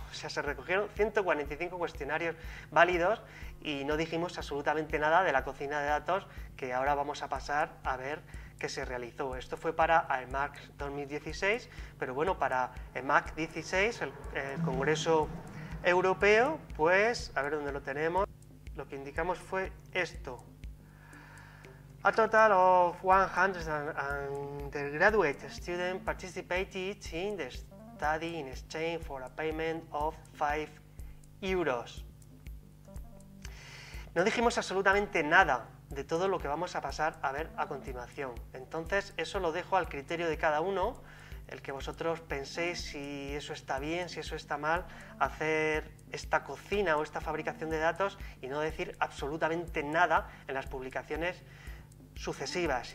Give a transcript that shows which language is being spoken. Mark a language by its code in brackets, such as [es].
[es] O sea, se recogieron 145 cuestionarios válidos y no dijimos absolutamente nada de la cocina de datos, que ahora vamos a pasar a ver qué se realizó. Esto fue para EMAC 2016, pero bueno, para EMAC 16, el Congreso Europeo, pues, a ver dónde lo tenemos, lo que indicamos fue esto. [en] A total of 100 undergraduate students participated in the study in exchange for a payment of 5 euros. [es] No dijimos absolutamente nada de todo lo que vamos a pasar a ver a continuación. Entonces, eso lo dejo al criterio de cada uno, el que vosotros penséis si eso está bien, si eso está mal, hacer esta cocina o esta fabricación de datos y no decir absolutamente nada en las publicaciones sucesivas.